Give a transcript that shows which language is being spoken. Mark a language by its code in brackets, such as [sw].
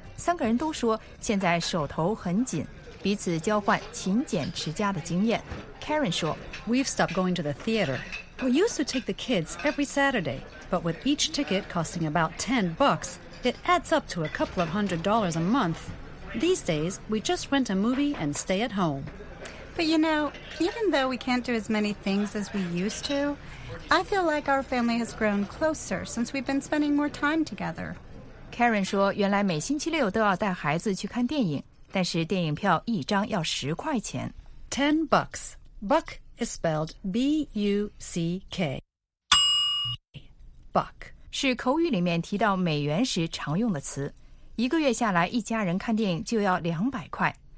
[zh] 三个人都说现在手头很紧，彼此交换勤俭持家的经验。 Karen 说 [en] We've stopped going to the theater. We used to take the kids every Saturday, but with each ticket costing about $10, it adds up to a couple of $100 a month. These days, we just rent a movie and stay at home. But you know, even though we can't do as many things as we used to, I feel like our family has grown closer since we've been spending more time together. [zh] Karen 说原来每星期六都要带孩子去看电影，但是电影票一张要十块钱。 [en] $10. Buck is spelled B-U-C-K. Buck [zh] 是口语里面提到美元时常用的词。一个月下来一家人看电影就要$200。